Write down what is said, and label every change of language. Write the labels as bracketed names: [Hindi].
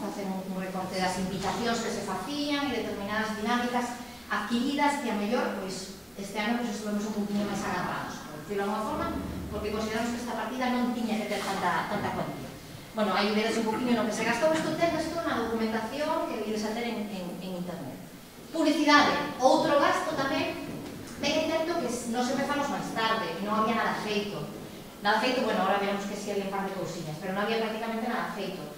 [Spanish] Hacer un recorte de las invitaciones que se hacían y determinadas dinámicas adquiridas, y a mayor, pues este año pues, estuvimos un poquito más agarrados, por decirlo de alguna forma, porque consideramos que esta partida no tenía que tener tanta cuantía. Bueno, ahí veréis un poquito en lo que se gastó, esto es una documentación que vienes a tener en internet. Publicidad, otro gasto también. [Galician] Ten certo que non se empezamos máis tarde, non había nada feito. Nada feito, bueno, ahora vemos que sí había un par de cousiñas, pero non había prácticamente nada feito.